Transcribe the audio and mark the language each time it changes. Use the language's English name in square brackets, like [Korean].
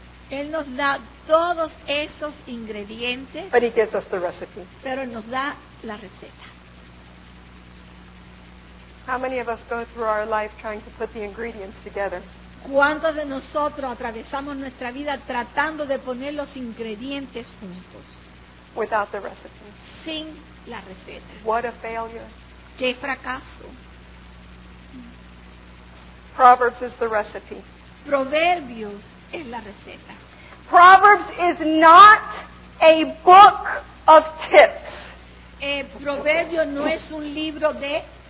[Spanish] Él nos da todos esos ingredientes. [English] But he gives us the recipe. [Spanish] Pero nos da la receta. [English] How many of us go through our life trying to put the ingredients together? [Spanish] ¿Cuántos de nosotros atravesamos nuestra vida tratando de poner los ingredientes juntos? [English] Without the recipe. [Spanish] Sin la receta. [English] What a failure. [Spanish] Qué fracaso. [English] Proverbs is the recipe. [Spanish] Proverbios es la receta. [English] Proverbs is not a book of tips. [Spanish] Proverbios no es un libro de